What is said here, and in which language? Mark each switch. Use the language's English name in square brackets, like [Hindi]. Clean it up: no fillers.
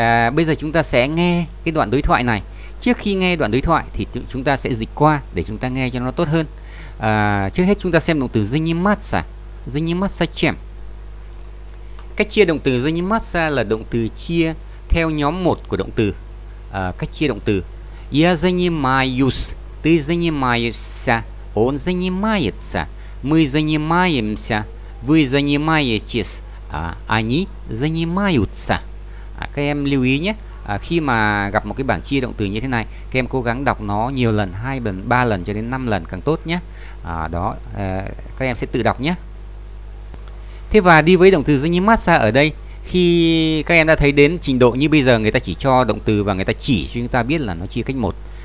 [Vietnamese] Bây giờ chúng ta sẽ nghe cái đoạn đối thoại này. Trước khi nghe đoạn đối thoại thì chúng ta sẽ dịch qua để chúng ta nghe cho nó tốt hơn. Trước hết chúng ta xem động từ заниматься. [Russian] Заниматься чем. [Vietnamese] Cách chia động từ заниматься là động từ chia theo nhóm 1 của động từ. Cách chia động từ. [Russian] Я занимаюсь, ты занимаешься, он занимается, мы занимаемся, вы занимаетесь, они занимаются. [Vietnamese] Các em lưu ý nhé. Khi mà gặp một cái bảng chia động từ như thế này, các em cố gắng đọc nó nhiều lần, 2 lần, 3 lần cho đến 5 lần càng tốt nhé. Đó, các em sẽ tự đọc nhé. Thế và đi với động từ заниматься ở đây, khi các em đã thấy đến trình độ như bây giờ, người ta chỉ cho động từ và người ta chỉ cho chúng ta biết là nó chia cách 1.